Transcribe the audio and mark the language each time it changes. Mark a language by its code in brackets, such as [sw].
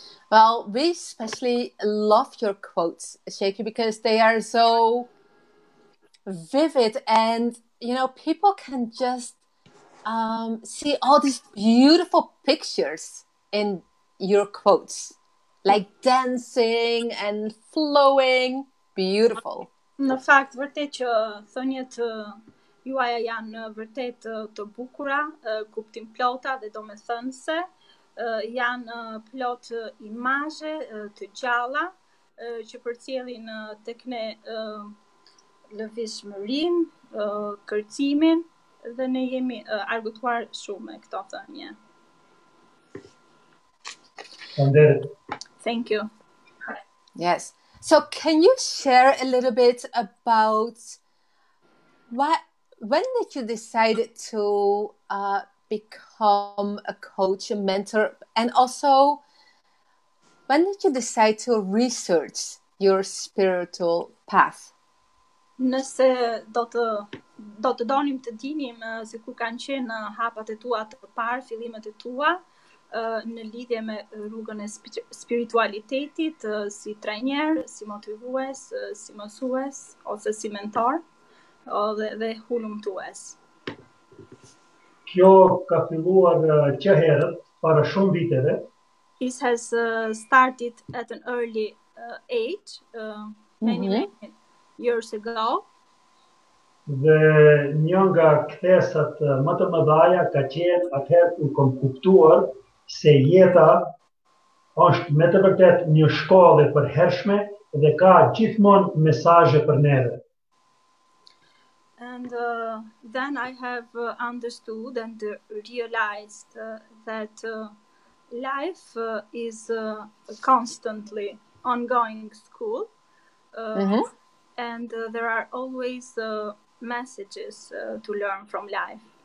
[en] Well, we especially love your quotes, Sheki, because they are so vivid and, you know, people can just see all these beautiful pictures in your quotes. like dancing and flowing. Beautiful. [sq] Në fakt, vërtet që thonjet juaja janë vërtet të bukura, kuptim plota dhe do me thënë se janë plot imazhe të gjalla që përcjellin tek ne lëvizshmërinë, kërcimin dhe ne jemi argëtuar shumë me këto thënje. [en] Thank you. Yes. So can you share a little bit about when did you decide to become a coach, a mentor, and also when did you decide to research your spiritual path? [sq] Nëse do të donim të dinim se kur kanë qenë hapat e tua të parë, fillimet e tua në lidhje me rrugën e spiritualitetit, si trajner, si motivues, si mësues, ose si mentor, dhe hulumtues. Kjo ka filluar që herët, para shumë viteve. [en] This has started at an early age, many years ago. [sq] Dhe një nga kthesat më të mëdhaja ka qenë atëherë u kom kuptuar se jeta është me të vërtet një shkollë për hershme dhe ka gjithmonë mesazhe për neve. [en] And then I have understood and realized that life is constantly ongoing school. And there are always messages to learn from life.